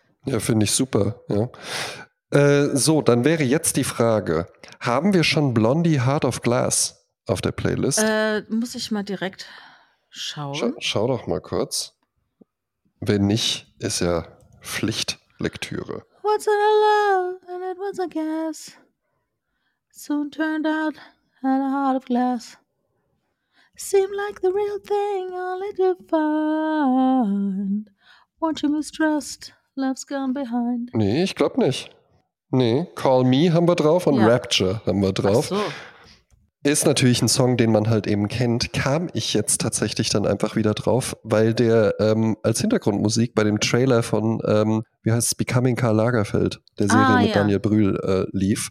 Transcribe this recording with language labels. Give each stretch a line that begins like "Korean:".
German: Ja, finde ich super, ja. So, dann wäre jetzt die Frage, haben wir schon Blondie Heart of Glass auf der Playlist? Muss ich mal direkt schauen. Schau doch mal kurz. Wenn nicht, ist ja Pflichtlektüre.
English: What's in a love and it was a gas. Soon turned out had a heart of glass. Seemed like the real thing only to find. Won't you mistrust, love's gone behind.
German: Nee, ich glaub nicht. Nee, Call Me haben wir drauf und Rapture haben wir drauf. Ach so. Ist natürlich ein Song, den man halt eben kennt. Kam ich jetzt tatsächlich dann einfach wieder drauf, weil der als Hintergrundmusik bei dem Trailer von, wie heißt es, Becoming Karl Lagerfeld, der Serie mit Daniel Brühl lief.